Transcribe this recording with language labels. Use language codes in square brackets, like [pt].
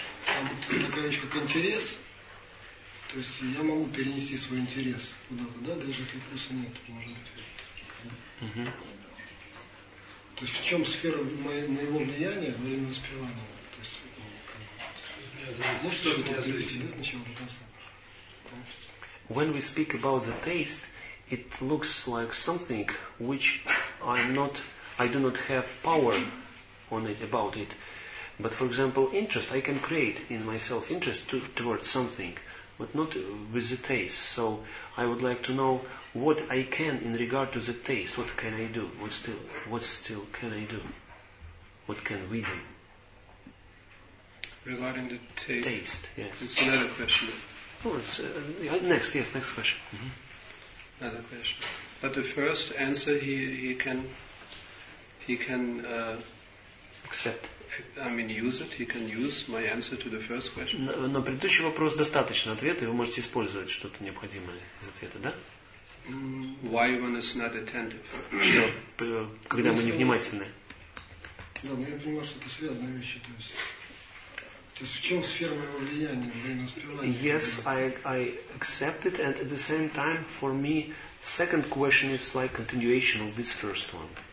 [ru] А вот такая вещь, как интерес, то есть я могу перенести свой интерес куда-то, да, даже если вкуса нет, может быть. То есть в чем сфера моего влияния во время воспевания? То есть может что-то перевести, да, сначала пытаться? [en] When we speak about the taste, it looks like something which I do not have power on it, about it. But for example, interest, I can create in myself interest towards something, but not with the taste. So I would like to know what I can in regard to the taste. What can I do? What still can I do? What can we do? Regarding the taste. Yes. It's another question. Oh, it's next question. Mm-hmm. Another question. But the first answer he can accept. I mean, use it. He can use my answer to the first question. [ru] Но предыдущий вопрос достаточно ответа, и вы можете использовать что-то необходимое из ответа, да? [en] Why one is not attentive? [ru] Что, когда мы невнимательны? Да, но я понимаю, что это связанные вещи, то есть. [en] Yes, I accept it, and at the same time, for me, second question is like continuation of this first one.